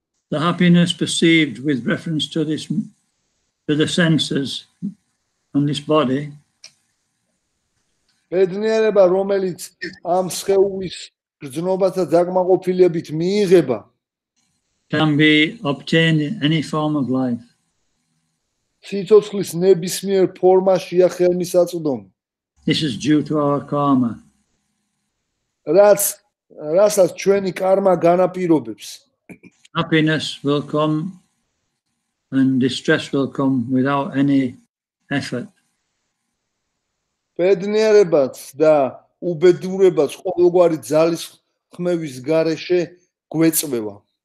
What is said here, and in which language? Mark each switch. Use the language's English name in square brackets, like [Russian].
[English] The happiness perceived with reference to this, to the senses on this body, [Georgian] ბედნიერება, რომელიც ამ სხეულის გრძნობათა დაკმაყოფილებით მიიღება, [English] can be obtained in any form of life. [Georgian] სიცოცხლის ნებისმიერ ფორმაში ა ხელმისაწვდომ. [English] This is due to our karma. [Georgian] რასაც ჩვენი კარმა განაპირობებს. [English] Happiness will come and distress will come without any effort. [Georgian] ბედნიერებაც და უბედურებაც ყოველგვარი ძალის ხმების გარეშე გვეწმევა.